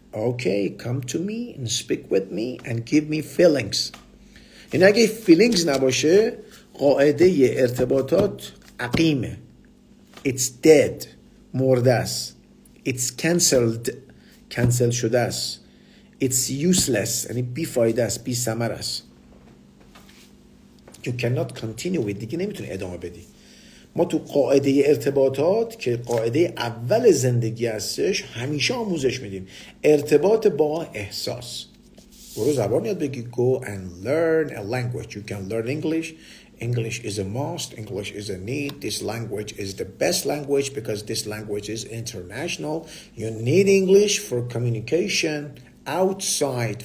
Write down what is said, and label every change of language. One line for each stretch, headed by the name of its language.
English: Okay, come to me and speak with me and give me feelings.
Persian: این اگه feelings نباشه، قاعده ارتباطات عقیمه.
English: It's dead.
Persian: مرده است.
English: It's cancelled.
Persian: کنسل شده است.
English: It's useless.
Persian: یعنی بیفایده است. بیثمر است.
English: You cannot continue with.
Persian: دیگه نمیتونی ادامه بدی. ما تو قاعده ارتباطات که قاعده اول زندگی هستش همیشه آموزش میدیم. ارتباط با احساس. برو زبان یاد بگی.
English: Go and learn a language. You can learn English. English is a must. English is a need. This language is the best language because this language is international. You need English for communication outside.